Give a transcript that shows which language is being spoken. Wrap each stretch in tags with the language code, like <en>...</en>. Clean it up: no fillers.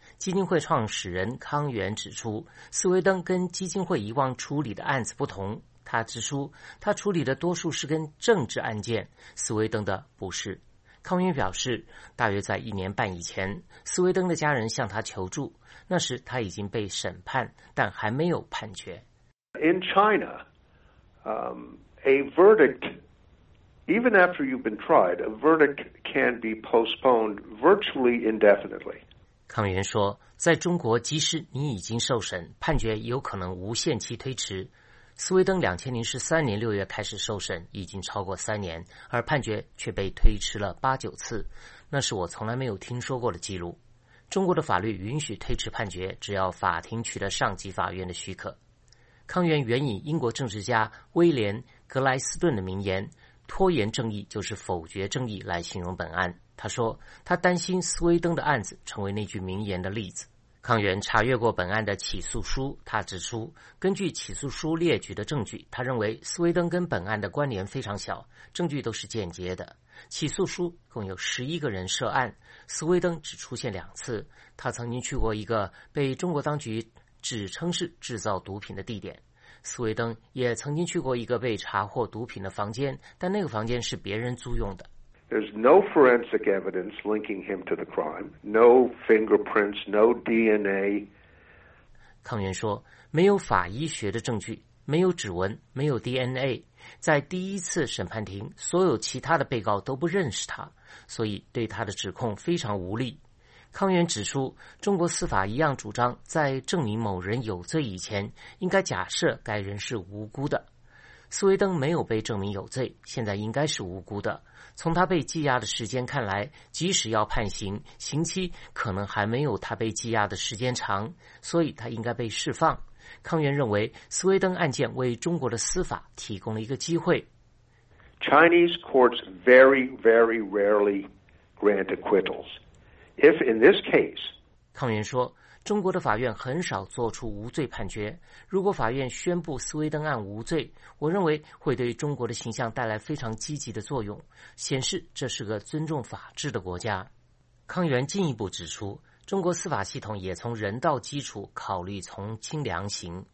<zh>基金会创始人康源指出，斯威登跟基金会以往处理的案子不同。他指出，他处理的多数是跟政治案件，斯威登的不是。康源表示，大约在1年半以前，斯威登的家人向他求助，那时他已经被审判，但还没有判决。</zh> <en>In China, a verdict, even after you've been tried, a verdict can be postponed virtually indefinitely.</en> <zh>康源说，在中国，即使你已经受审，判决有可能无限期推迟。斯威登2013年6月开始受审，已经超过3年，而判决却被推迟了8、9次，那是我从来没有听说过的记录。中国的法律允许推迟判决，只要法庭取得上级法院的许可。康源援引英国政治家威廉·格莱斯顿的名言，拖延正义就是否决正义，来形容本案。他说他担心斯威登的案子成为那句名言的例子。康源查阅过本案的起诉书，他指出根据起诉书列举的证据，他认为斯威登跟本案的关联非常小，证据都是间接的。起诉书共有11个人涉案，斯威登只出现2次，他曾经去过一个被中国当局指称是制造毒品的地点。斯威登也曾经去过一个被查获毒品的房间，但那个房间是别人租用的。</zh> <en>There's no forensic evidence linking him to the crime. No fingerprints, no DNA.</en> <zh>康源说，没有法医学的证据，没有指纹，没有 DNA。在第一次审判庭，所有其他的被告都不认识他，所以对他的指控非常无力。康源指出，中国司法一样主张，在证明某人有罪以前，应该假设该人是无辜的。斯威登没有被证明有罪，现在应该是无辜的。从他被羁押的时间看来，即使要判刑，刑期可能还没有他被羁押的时间长，所以他应该被释放。康源认为，斯威登案件为中国的司法提供了一个机会。</zh> <en>Chinese courts very, very rarely grant acquittals. If in this case,</en> <zh>康源说，中国的法院很少做出无罪判决，如果法院宣布斯威登案无罪，我认为会对中国的形象带来非常积极的作用，显示这是个尊重法治的国家。康源进一步指出，中国司法系统也从人道基础考虑从轻量刑。</zh>